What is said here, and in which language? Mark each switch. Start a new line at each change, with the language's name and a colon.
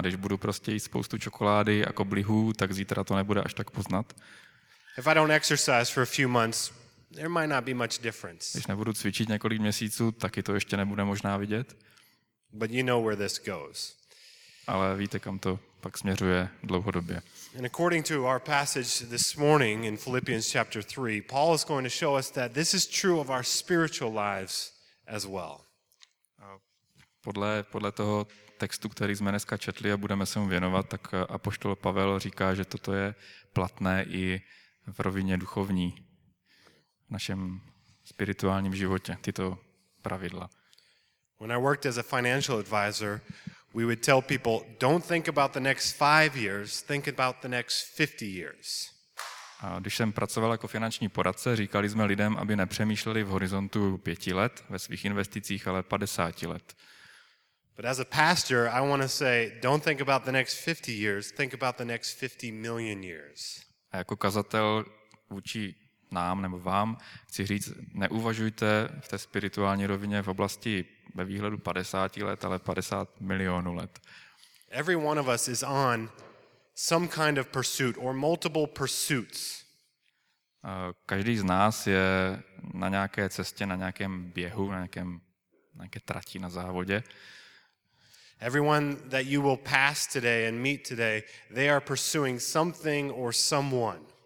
Czech: Když budu prostě jíst spoustu čokolády a koblihů, tak zítra to nebude až tak poznat.
English: If I don't exercise for a few months, there might not be much difference.
Czech: Když nebudu cvičit několik měsíců, taky to ještě nebude možná vidět.
English: But you know where this goes.
Czech: Ale víte, kam to pak směřuje dlouhodobě.
English: And according to our passage this morning in Philippians chapter 3, Paul is going to show us that this is true of our spiritual lives as well.
Czech: Podle toho textu, který jsme dneska četli a budeme se mu věnovat, tak apoštol Pavel říká, že toto je platné i v rovině duchovní, v našem spirituálním životě, tyto pravidla.
English: When I worked as a financial advisor, we would tell people, don't think about the next 5 years, think about the next 50 years.
Czech: A když jsem pracoval jako finanční poradce, říkali jsme lidem, aby nepřemýšleli v horizontu 5 let ve svých investicích, ale 50 let.
English: But as a pastor, I want to say, don't think about the next 50 years, think about the next 50 million years.
Czech: A jako kazatel vůči nám nebo vám chci říct, neuvažujte v té spirituální rovině v oblasti ve výhledu 50 let, ale 50 milionů let.
English: Every one of us is on some kind of pursuit or multiple pursuits.
Czech: Každý z nás je na nějaké cestě, na nějakém běhu, na nějaké trati, na závodě.
English: Everyone that you will pass today and meet today, they are pursuing something or someone.